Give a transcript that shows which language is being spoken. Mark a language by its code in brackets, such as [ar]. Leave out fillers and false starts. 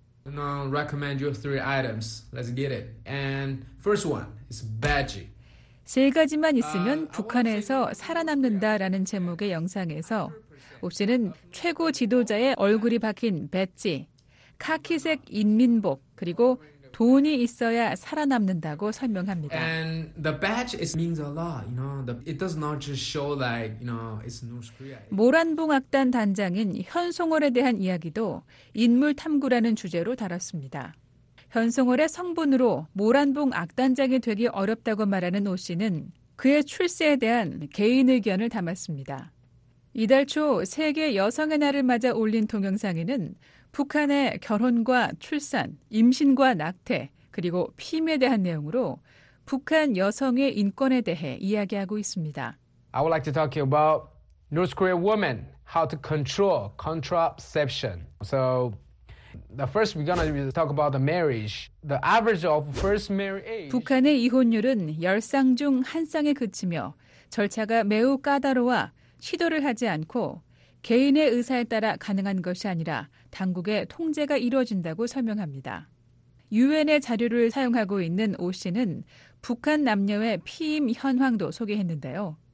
[en] And I'll recommend you three items. Let's get it. And first one is badge. [ko] 세 가지만 있으면 북한에서 살아남는다라는 제목의 영상에서 옥 씨는 최고 지도자의 얼굴이 박힌 배지, 카키색 인민복, 그리고 돈이 있어야 살아남는다고 설명합니다. [en] And the badge is means a lot, you know. It does not just show like, you know, it's North Korea. [ko] 모란봉 악단 단장인 현송월에 대한 이야기도 인물 탐구라는 주제로 다뤘습니다. 현송월의 성분으로 모란봉 악단장이 되기 어렵다고 말하는 오 씨는 그의 출세에 대한 개인 의견을 담았습니다. 이달 초 세계 여성의 날을 맞아 올린 동영상에는 북한의 결혼과 출산, 임신과 낙태, 그리고 피임에 대한 내용으로 북한 여성의 인권에 대해 이야기하고 있습니다. [en] I would like to talk about North Korean women, how to control contraception. So the first we're going to talk about the marriage. The average of first marriage age. [ko] 북한의 이혼율은 10쌍 중 1쌍에 그치며 절차가 매우 까다로워 시도를 하지 않고 개인의 의사에 따라 가능한 것이 아니라 당국의 통제가 이루어진다고 설명합니다. 유엔의 자료를 사용하고 있는 오 씨는 북한 남녀의 피임 현황도 소개했는데요.